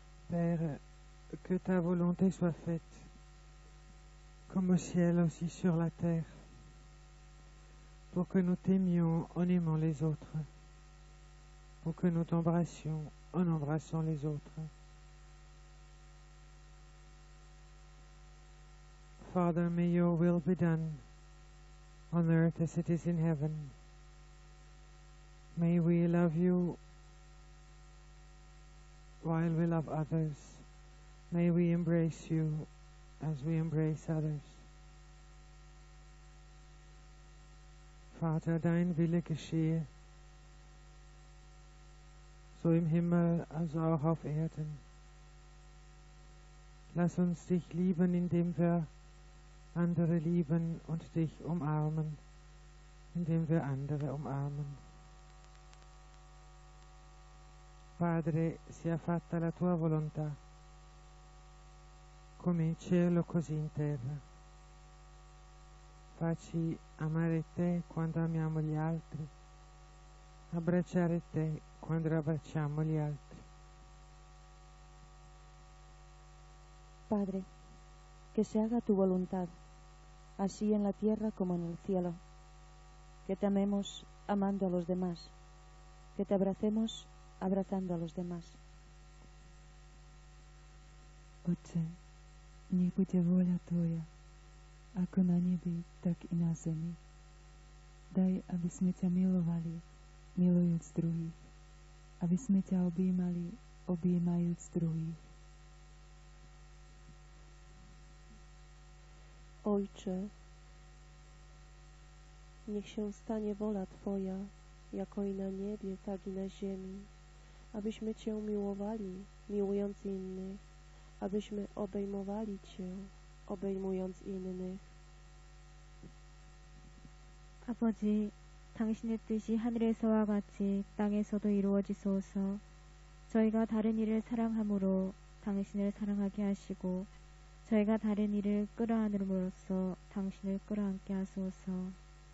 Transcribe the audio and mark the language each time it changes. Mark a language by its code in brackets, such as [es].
[fr] Père, que ta volonté soit faite, comme au ciel aussi sur la terre, pour que nous t'aimions en aimant les autres, pour que nous t'embrassions en embrassant les autres. [en] Father, may your will be done on earth as it is in heaven. May we love you while we love others. May we embrace you as we embrace others. [de] Vater, dein Wille geschehe, so im Himmel als auch auf Erden. Lass uns dich lieben, indem wir andere lieben, und dich umarmen, indem wir andere umarmen. [it] Padre, sia fatta la tua volontà, come in cielo così in terra. Facci amare te quando amiamo gli altri, abbracciare te quando abbracciamo gli altri. [es] Padre, che se haga tu volontà, así en la tierra como en el cielo, que te amemos amando a los demás, que te abracemos abrazando a los demás. [sk] Oče, nech bude vôľa Tvoja, ako na nebi, tak i na zemi. Daj, aby sme ťa milovali, milujúc druhých, aby sme ťa objímali, objímajúc druhých. [pl] Ojcze, niech się stanie wola Twoja, jako i na niebie, tak i na ziemi, abyśmy Cię miłowali, miłując innych, abyśmy obejmowali Cię, obejmując innych. [ko] Aboji, 당신의 뜻이 하늘에서와 같이 땅에서도 이루어지소서. 저희가 다른 이를 사랑함으로 당신을 사랑하게 하시고, 저희가 다른 이를 끌어안음으로써 당신을 끌어안게 하소서.